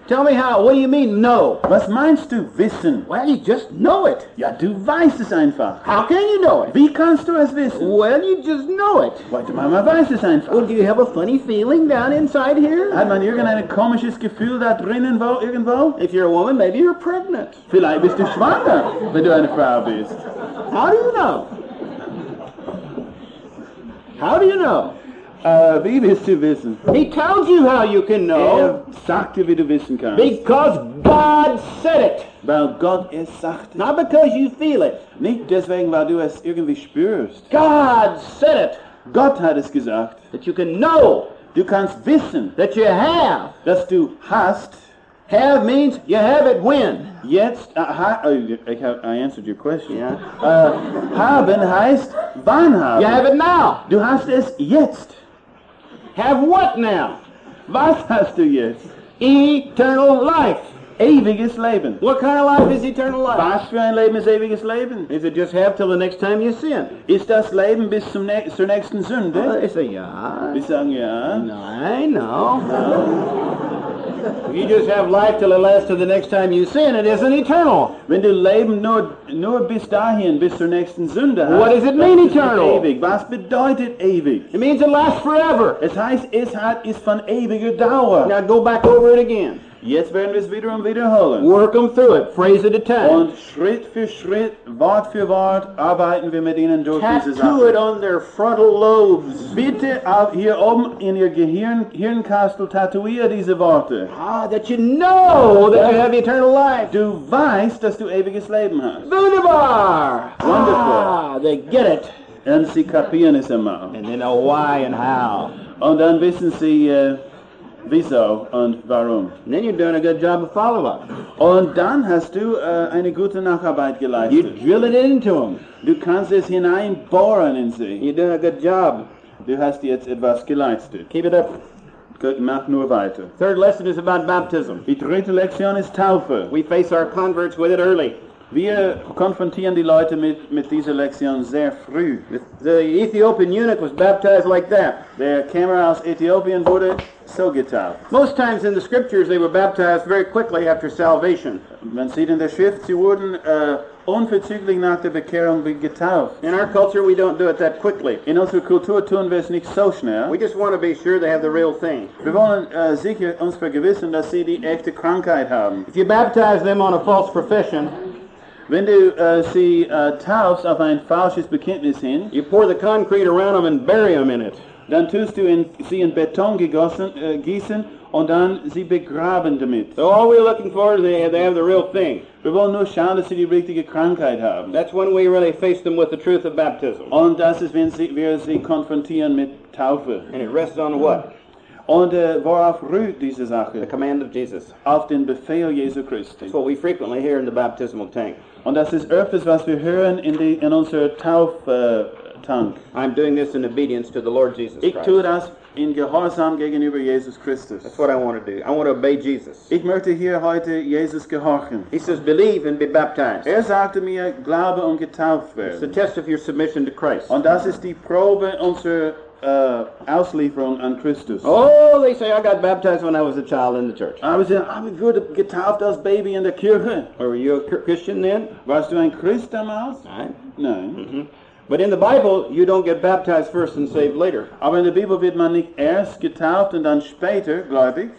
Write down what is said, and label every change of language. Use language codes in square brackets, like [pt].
[en] Tell me how, what do you mean, no? [de] Was meinst du, Wissen? [en] Well, you just know it. [de] Ja, du weißt es einfach. [en] How can you know it? [de] Wie kannst du es wissen? [en] Well, you just know it. [de] Weil du mal weißt es einfach. [en] Well, do you have a funny feeling down inside here? [de] Hat man irgendein komisches Gefühl da drinnen irgendwo? [en] If you're a woman, maybe you're pregnant. [de] Vielleicht bist du schwanger, wenn du eine Frau bist. [en] How do you know? How do you know? [de] Wie willst du wissen? [en] He tells you how you can know. [de] Sagt dir, wie du wissen kannst. [en] Because God said it. [de] Weil Gott es sagte. [en] Not because you feel it. [de] Nicht deswegen, weil du es irgendwie spürst. [en] God said it. [de] Gott hat es gesagt. [en] That you can know. [de] Du kannst wissen. [en] That you have. [de] Dass du hast. [en] Have means you have it when. [de] Jetzt, [en] I answered your question. Yeah. [de] haben heißt wann haben. [en] You have it now. [de] Du hast es jetzt. [en] Have what now? [de] Was hast du jetzt? [en] Eternal life. [de] Ewiges Leben. [en] What kind of life is eternal life? [de] Was für ein Leben ist ewiges Leben? [en] Is it just have till the next time you sin? [de] Ist das Leben bis zum zur nächsten Sünde? Oh, ich sage ja. Wir sagen ja. [en] Nein, no. You just have life till it lasts till the next time you sin. It isn't eternal. [de] Wenn du Leben nur bis dahin, bis zur nächsten Sünde hast. [en] What does it mean, eternal? [de] Ewig. Was bedeutet ewig? [en] It means it lasts forever. [de] Es heißt, es hat ist von ewiger Dauer. [en] Now go back over it again. [de] Jetzt werden wir es wieder und wiederholen. [en] Work them through it, phrase it at a time. [de] Und Schritt für Schritt, Wort für Wort, arbeiten wir mit ihnen durch diese Sachen. [en] Tattoo it on their frontal lobes. [de] Bitte auf hier oben in ihr Gehirn, Hirnkastel, tatuiere diese Worte. [en] Ah, that you know that you have eternal life. [de] Du weißt, dass du ewiges Leben hast. Wunderbar! [en] Wonderful. Ah, they get it. [de] Und sie kapieren es immer. [en] And they know why and how. [de] Und dann wissen sie, wieso und warum. [en] And then you're doing a good job of follow-up. [de] Und dann hast du eine gute Nacharbeit geleistet. [en] You drill it into them. [de] Du kannst es hineinbohren in sie. [en] You're doing a good job. [de] Du hast jetzt etwas geleistet. [en] Keep it up. [de] Good, mach nur weiter. [en] Third lesson is about baptism. [de] Die dritte Lektion ist Taufe. [en] We face our converts with it early. [de] Wir konfrontieren die Leute mit dieser Lektion sehr früh. [en] The Ethiopian eunuch was baptized like that. [de] Der Kämmerer aus Äthiopien wurde so getauft. [en] Most times in the scriptures they were baptized very quickly after salvation. [de] Man sieht in der Schrift, sie wurden unverzüglich nach der Bekehrung getauft. [en] In our culture we don't do it that quickly. [de] In unserer Kultur tun wir es nicht so schnell. [en] We just want to be sure they have the real thing. [de] Wir wollen sicher uns vergewissen, dass sie die echte Krankheit haben. [en] If you baptize them on a false profession, [de] wenn du sie taufst auf ein falsches Bekenntnis hin, [en] you pour the concrete around them and bury them in it. [de] Dann tust du sie in Beton gießen und dann sie begraben damit. [en] So all we're looking for is they have the real thing. [de] Wir wollen nur schauen, dass sie die richtige Krankheit haben. [en] That's when we really face them with the truth of baptism. [de] Und das ist, wenn wir sie konfrontieren mit Taufe. [en] And it rests on what? [de] Und worauf ruht diese Sache? [en] The command of Jesus. [de] Auf den Befehl Jesu Christi. [en] That's what we frequently hear in the baptismal tank. [de] Und das ist öfters, was wir hören in unserer Tauftank. [en] I'm doing this in obedience to the Lord Jesus Christ. [de] Ich tue das in Gehorsam gegenüber Jesus Christus. [en] That's what I want to do. I want to obey Jesus. [de] Ich möchte hier heute Jesus gehorchen. [en] He says, believe and be baptized. [de] Er sagte mir, glaube und getauft werden. [en] It's the test of your submission to Christ. [de] Und das ist die Probe unserer Auslieferung an Christus. [en] Oh, they say I got baptized when I was a child in the church. I was good [de] getauft als Baby in der Kirche. [en] Were you a Christian then? [de] Warst du ein Christ damals? Nein. [en] But in the Bible, you don't get baptized first and saved later. [de] Aber in der Bibel wird man nicht erst getauft und dann später gläubig.